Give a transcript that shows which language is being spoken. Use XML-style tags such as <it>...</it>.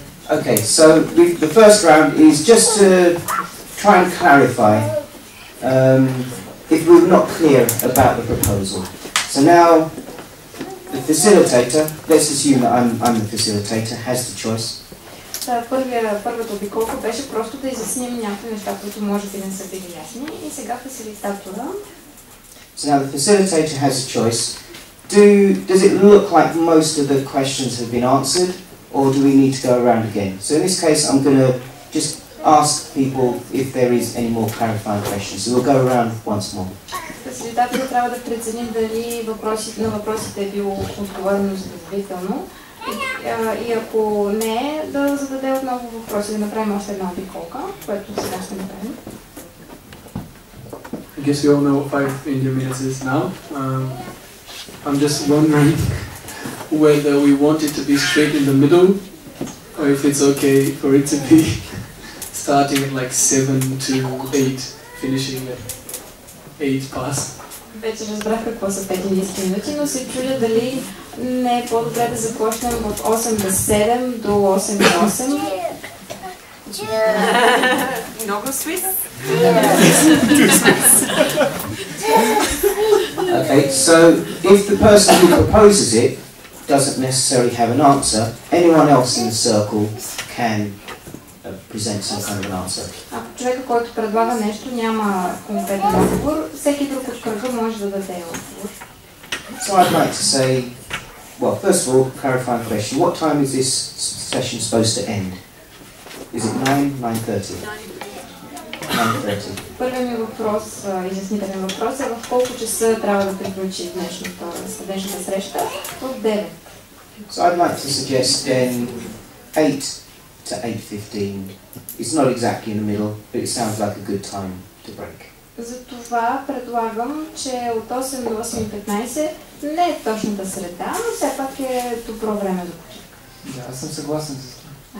<en>Okay, so the first round is just to try and clarify if we're not clear about the proposal. So now, the facilitator, let's assume that I'm the facilitator, has the choice.</en> <bg>Първата обиколка беше просто да изясним някои неща, които може би не са били ясни. И сега фасилитатора.</bg> <en>So now the facilitator has a choice. Does it look like most of the questions have been answered, or do we need to go around again? So in this case, I'm going to just ask people if there is any more clarifying questions. So we'll go around once more.</en> <bg>Фасилитаторът трябва да преценим дали на въпросите е било отговорено задоволително. И ако не, да зададе отново въпроси, да направим още една обиколка, което сега ще направим.</bg> <en>I guess we all know what 5 Indian minutes is now. I'm just wondering whether we want it to be straight in the middle or if it's okay for it to be starting at like 7 to 8, finishing at 8 past.</en> <bg>Вече разбрах какво са 5 индийски минути, но се чудя дали не е по-добре да започнем от 8 до 7 до 8 и 8. Много свис.</bg> <en>Okay, so if the person who proposes it doesn't necessarily have an answer, anyone else in the circle can present some kind of an answer.</en> <bg>Ако човек, който предлага нещо, няма конкретен отговор, всеки друг от кръга може да даде отговор.</bg> <en>So I'd like to say, well, first of all, clarifying question. What time is this session supposed to end? Is it 9:30? 9:30.</en> <bg>Първият ми въпрос, изяснителен въпрос е в колко часа трябва да приключи днешната среща? От 9.</bg> <en>So I'd like to suggest then 8 to 8:15. It's not exactly in the middle, but it sounds like a good time to break.</en> <bg>Затова предлагам, че от 8 до 8:15 не е точната среда, но все пак е добро време за почивка. Да, аз съм съгласен с това.</bg>